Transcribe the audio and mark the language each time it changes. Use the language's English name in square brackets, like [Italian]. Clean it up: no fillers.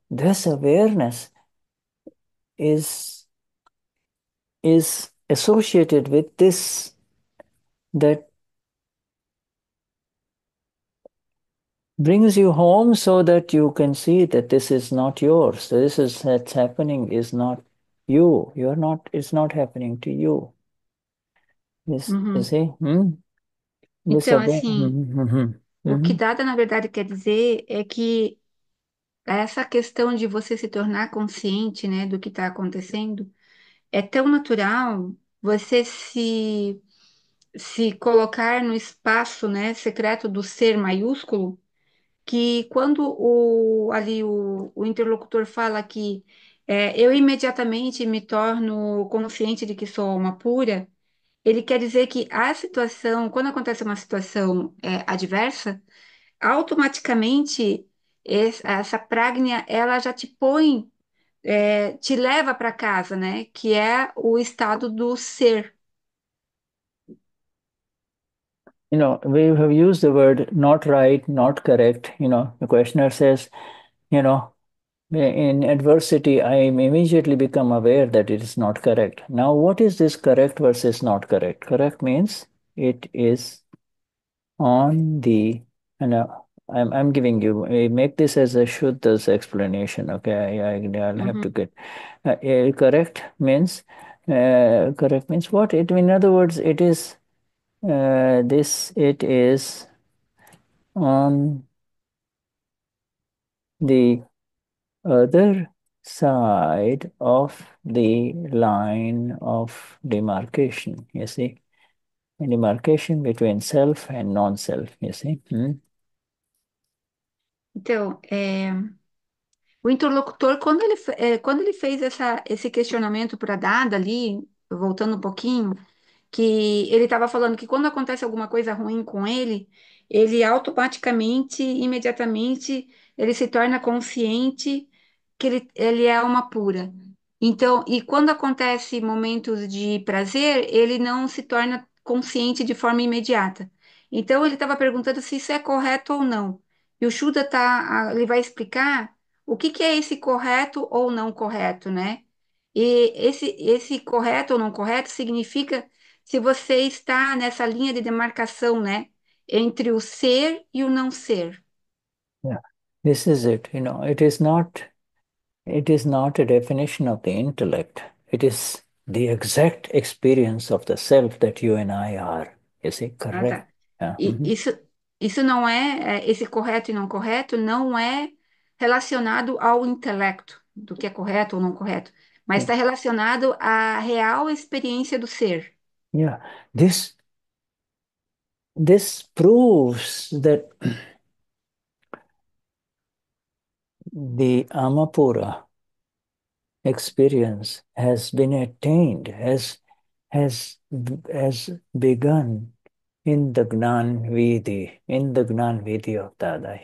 [English] This awareness is associated with this, that brings you home so that you can see that this is not yours. This is that's happening is not you. You are not, it's not happening to you. You see? [Portuguese] Então, assim, o que Dada, na verdade, quer dizer é que essa questão de você se tornar consciente, né, do que está acontecendo, é tão natural você se colocar no espaço, né, secreto do ser maiúsculo, que quando o interlocutor fala que eu imediatamente me torno consciente de que sou alma pura, ele quer dizer que a situação, quando acontece uma situação adversa, automaticamente essa prágnia, ela já te põe, te leva para casa, né? Que é o estado do ser. [English] You know, we have used the word not right, not correct. You know, the questioner says, you know, in adversity, I immediately become aware that it is not correct. Now, what is this correct versus not correct? Correct means it is on the, you know, I'm giving you, I make this as a Shuddha's explanation, okay? I'll have to get, correct means what? In other words, it is, this it is on the other side of the line of demarcation, you see, a demarcation between self and non-self, you see. [Portuguese] Então, o interlocutor, quando ele fez esse questionamento para Dada ali, voltando um pouquinho, que ele estava falando que quando acontece alguma coisa ruim com ele automaticamente, imediatamente, ele se torna consciente que ele é alma pura. Então, e quando acontece momentos de prazer, ele não se torna consciente de forma imediata. Então, ele estava perguntando se isso é correto ou não. E o Shuddha ele vai explicar o que que é esse correto ou não correto, né? E esse correto ou não correto significa se você está nessa linha de demarcação, né? Entre o ser e o não ser. [English] Yeah, this is it. You know, it is not a definition of the intellect. It is the exact experience of the self that you and I are. You see, Ah, correct. [Portuguese] tá. E isso não é esse correto e não correto não é relacionado ao intelecto do que é correto ou não correto, mas está relacionado à real experiência do ser. [English] This proves that the Amapura experience has been attained, has begun in the Gnanvidhi of Dada.